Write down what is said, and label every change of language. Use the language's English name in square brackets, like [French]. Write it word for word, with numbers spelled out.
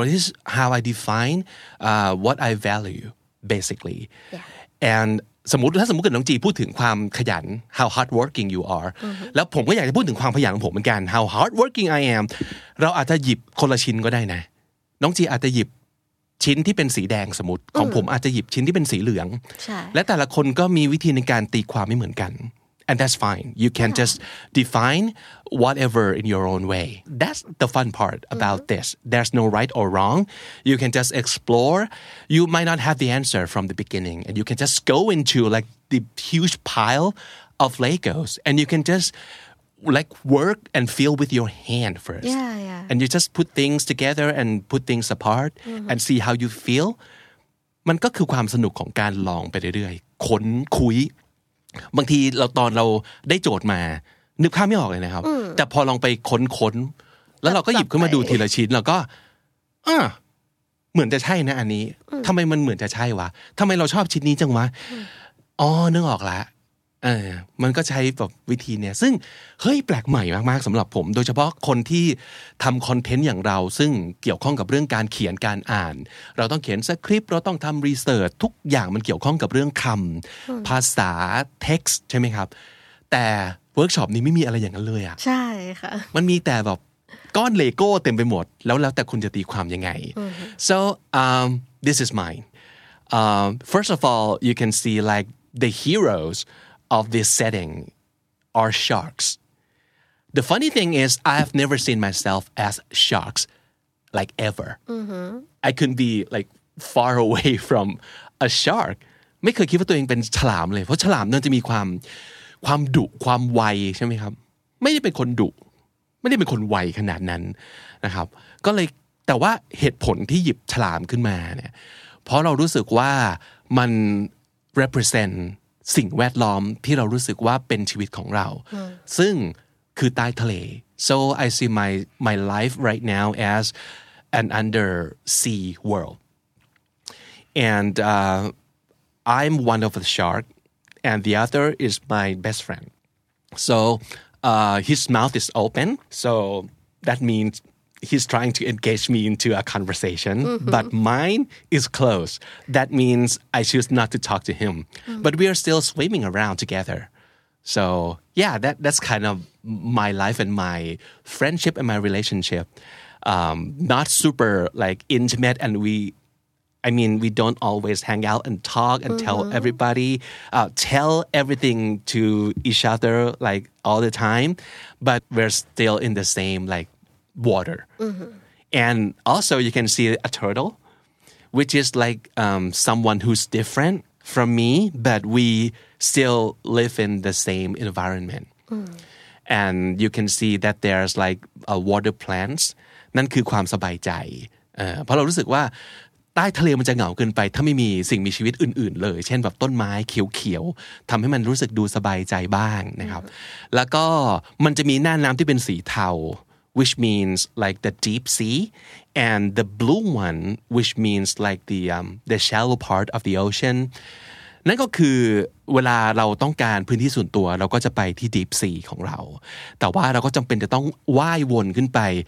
[English] or this is how I define uh, what I value, basically. Yeah. [Thai] And สมมุติถ้าสมมุติเกิดน้องจีพูดถึงความขยัน [English] how hardworking you are, [Thai] mm-hmm. แล้วผมก็อยากจะพูดถึงความขยันของผมเหมือนกัน [English] how hardworking I am. [Thai] เราอาจจะหยิบคนละชิ้นก็ได้นะน้องจีอาจจะหยิบชิ้นที่เป็นสีแดงสมมุติ mm-hmm. ของผมอาจจะหยิบชิ้นที่เป็นสีเหลืองและแต่ละคนก็มีวิธีในการตีความไม่เหมือนกัน [English] And that's fine. You can yeah. just define whatever in your own way. That's the fun part about mm-hmm. this. There's no right or wrong. You can just explore. You might not have the answer from the beginning. And you can just go into like the huge pile of Legos. And you can just like work and feel with your hand first. Yeah, yeah. And you just put things together and put things apart mm-hmm. and see how you feel. [Thai] มันก็คือความสนุกของการลองไปเรื่อยๆค้นคุยบางทีเราตอนเราได้โจทย์มานึกภาพไม่ออกเลยนะครับแต่พอลองไปค้นๆแล้วเราก็หยิบขึ้นมาดูทีละชิ้นแล้วก็อ่ะ เหมือนจะใช่นะอันนี้ทำไมมันเหมือนจะใช่วะทำไมเราชอบชิ้นนี้จังวะอ๋อนึกออกละเออมันก็ใช้แบบวิธีเนี่ยซึ่งเฮ้ยแปลกใหม่มากๆสำหรับผมโดยเฉพาะคนที่ทำคอนเทนต์อย่างเราซึ่งเกี่ยวข้องกับเรื่องการเขียนการอ่านเราต้องเขียนสคริปต์เราต้องทำรีเสิร์ชทุกอย่างมันเกี่ยวข้องกับเรื่องคำภาษาเท็กซ์ใช่ไหมครับแต่เวิร์กช็อปนี้ไม่มีอะไรอย่างนั้นเลยอ่ะ ใช่ค่ะ มันมีแต่แบบก้อนเลโก้เต็มไปหมดแล้วแล้วแต่คุณจะตีความยังไง [English] so um, this is mine um, first of all you can see like the heroes of this setting are sharks. The funny thing is I've never seen myself as sharks like ever. Mm-hmm. I couldn't be like far away from a shark. [Thai] ไม่เคยคิดว่าตัวเองเป็นฉลามเลยเพราะฉลามเนี่ยจะมีความความดุความไวใช่ไหมครับไม่ได้เป็นคนดุไม่ได้เป็นคนไวขนาดนั้นนะครับก็เลยแต่ว่าเหตุผลที่หยิบฉลามขึ้นมาเนี่ยเพราะเรารู้สึกว่ามัน [English] represent [Thai] สิ่งแวดล้อมที่เรารู้สึกว่าเป็นชีวิตของเราซึ่งคือใต้ทะเล [English] so I see my my life right now as an undersea world and uh, I'm one of the shark and the other is my best friend so uh, his mouth is open so that means he's trying to engage me into a conversation mm-hmm. but mine is closed that means I choose not to talk to him mm-hmm. but we are still swimming around together so yeah that that's kind of my life and my friendship and my relationship um, not super like intimate and we I mean we don't always hang out and talk and mm-hmm. tell everybody uh, tell everything to each other like all the time but we're still in the same like water mm-hmm. and also you can see a turtle which is like um, someone who's different from me but we still live in the same environment mm. and you can see that there's like a water plants [Thai] นั่นคือความสบายใจเอ่อเพราะเรารู้สึกว่าใต้ทะเลมันจะเหงาเกินไปถ้าไม่มีสิ่งมีชีวิตอื่นๆเลยเช่นแบบต้นไม้เขียวๆทำให้มันรู้สึกดูสบายใจบ้างนะครับ mm-hmm. แล้วก็มันจะมีหน้าน้ำที่เป็นสีเทา [English] which means like the deep sea and the blue one which means like the um, the shallow part of the ocean [Thai] นั่นก็คือเวลาเราต้องการพื้นที่ส่วนตัวเราก็จะไปที่ deep sea ของเราแต่ว่าเราก็จำเป็นจะต้องว่ายวนขึ้นไป